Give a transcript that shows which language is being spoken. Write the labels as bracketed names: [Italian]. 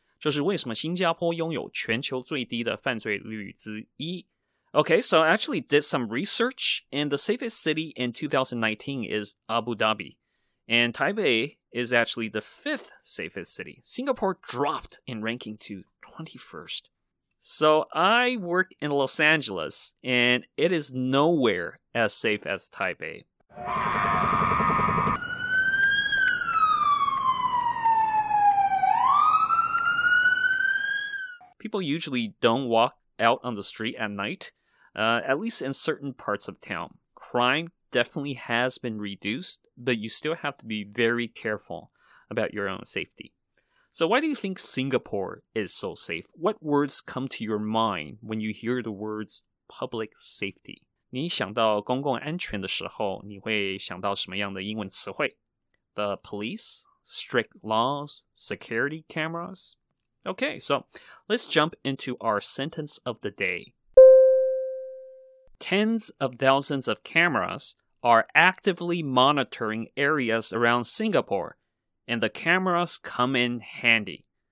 [Chinese] 就是为什么新加坡拥有全球最低的犯罪率之一。 [English] Okay, so I actually did some research, and the safest city in 2019 is Abu Dhabi. And Taipei is actually the fifth safest city. Singapore dropped in ranking to 21st. So I work in Los Angeles, and it is nowhere as safe as Taipei. People usually don't walk out on the street at night, at least in certain parts of town. Crime definitely has been reduced, but you still have to be very careful about your own safety. So why do you think Singapore is so safe? What words come to your mind when you hear the words public safety? [Chinese] 你想到公共安全的时候，你会想到什么样的英文词汇？ [English] The police, strict laws, security cameras. Okay, so let's jump into our sentence of the day. Tens of thousands of cameras are actively monitoring areas around Singapore, and the cameras come in handy.